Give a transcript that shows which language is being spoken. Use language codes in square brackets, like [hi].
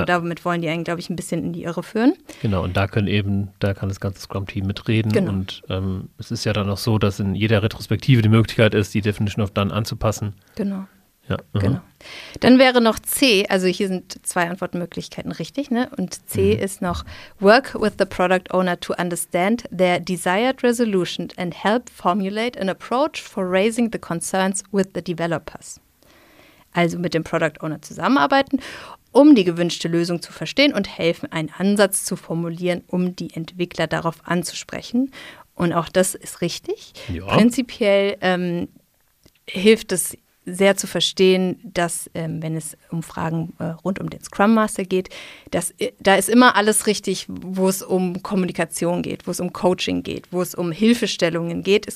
[de] So, damit wollen die einen, glaube ich, ein bisschen in die Irre führen. Genau, und da kann das ganze Scrum-Team mitreden. Genau. Und es ist ja dann auch so, dass in jeder Retrospektive die Möglichkeit ist, die Definition of Done anzupassen. Genau. Ja, genau. Dann wäre noch C, also hier sind zwei Antwortmöglichkeiten richtig, ne? Und C ist noch, [en] work with the product owner to understand their desired resolution and help formulate an approach for raising the concerns with the developers. [de] Also mit dem Product Owner zusammenarbeiten, um die gewünschte Lösung zu verstehen und helfen, einen Ansatz zu formulieren, um die Entwickler darauf anzusprechen. Und auch das ist richtig. Ja. Prinzipiell hilft es sehr zu verstehen, dass wenn es um Fragen rund um den Scrum Master geht, dass da ist immer alles richtig, wo es um Kommunikation geht, wo es um Coaching geht, wo es um Hilfestellungen geht.